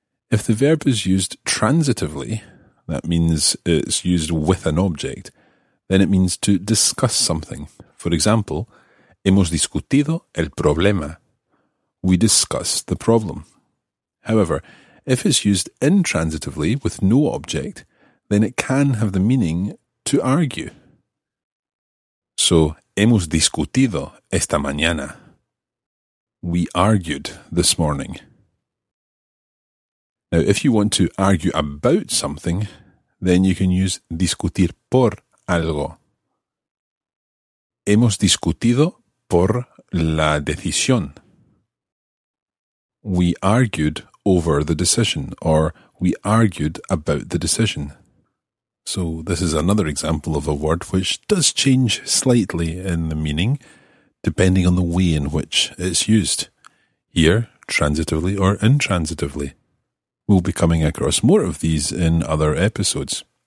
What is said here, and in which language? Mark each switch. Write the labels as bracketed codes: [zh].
[en] If the verb is used transitively, that means it's used with an object, then it means to discuss something. For example, [es] hemos discutido el problema. [en] We discussed the problem. However, if it's used intransitively with no object, then it can have the meaning to argue. So, [es] hemos discutido esta mañana. [en] We argued this morning. Now, if you want to argue about something, then you can use [es] discutir por algo. Hemos discutido por la decisión. [en] We argued over the decision, or we argued about the decision. So this is another example of a word which does change slightly in the meaning, depending on the way in which it's used. Here, transitively or intransitively. We'll be coming across more of these in other episodes.